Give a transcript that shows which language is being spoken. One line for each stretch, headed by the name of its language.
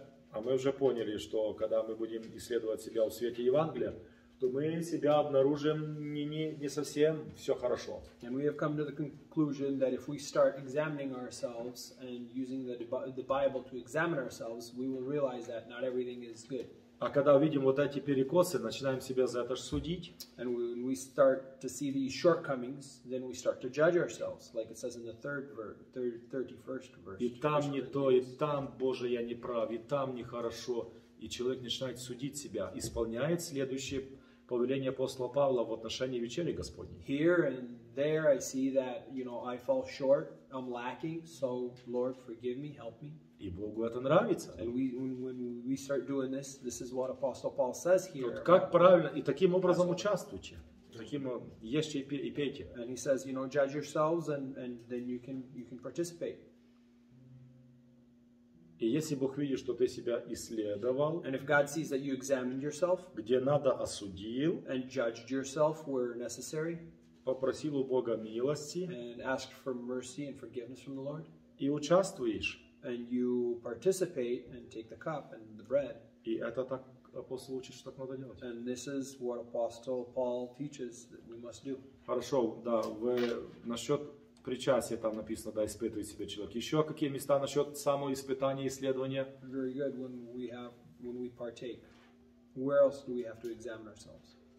Russian: А мы уже поняли, что когда мы будем исследовать себя в свете Евангелия, то мы себя обнаружим не совсем все хорошо.
English: And we have come to the conclusion that if we start examining ourselves and using the Bible to examine ourselves, we will realize that not everything is good.
Russian: А когда увидим вот эти перекосы, начинаем себя за это судить.
English: And when we start to see these shortcomings, then we start to judge ourselves, like it says in the 31st verse.
Russian: И там не то, и там, Боже, я не прав, и там нехорошо. И человек начинает судить себя, исполняет следующее повеление апостола Павла в отношении вечери Господней.
English: Here and there I see that, you know, I fall short, I'm lacking, so Lord, forgive me, help me.
Russian: И Богу это нравится.
English: And when we start doing this, this is what Apostle Paul says here.
Russian: Вот как правильно, и таким образом участвуйте. Таким, ешьте и пейте.
English: And he says, you know, judge yourselves and then you can participate.
Russian: И если Бог видит, что ты себя исследовал,
English: and if God sees that you examined yourself,
Russian: где надо осудил,
English: and judged yourself where necessary,
Russian: попросил у Бога милости,
English: and asked for mercy and forgiveness from the Lord,
Russian: и участвуешь,
English: and you participate and take the cup and the bread.
Russian: И это так апостол учит, что так надо делать.
English: And this is what Apostle Paul teaches that we must do.
Russian: Хорошо, да, вы насчет причастия там написано, да, испытывает себя человек. Еще какие места насчет самоиспытания, исследования?
English: Very good. When we partake, where else do we have to examine ourselves?